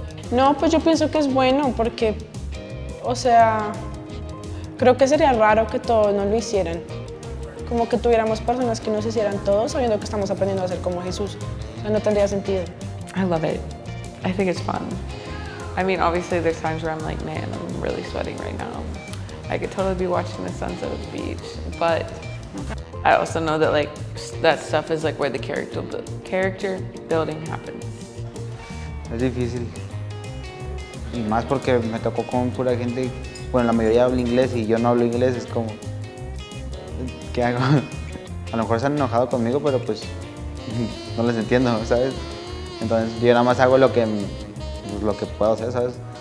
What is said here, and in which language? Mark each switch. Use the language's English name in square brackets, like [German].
[Spanish] No, pues yo pienso que es bueno porque, o sea, creo que sería raro que todos no lo hicieran. Como que tuviéramos personas que nos hicieran todos sabiendo que estamos aprendiendo a ser como Jesús. O sea, no tendría sentido. [English] I love it. I think it's fun. I mean, obviously there's times where I'm like, man, I'm really sweating right now. I could totally be watching the sunset at the beach, but I also know that like that stuff is like where the character building happens. [Spanish] Es difícil. Y más porque me tocó con pura gente, bueno, la mayoría habla inglés y yo no hablo inglés, es como ¿qué hago? A lo mejor se han enojado conmigo, pero pues no les entiendo, ¿sabes? Entonces, yo nada más hago lo que puedo hacer, ¿sabes?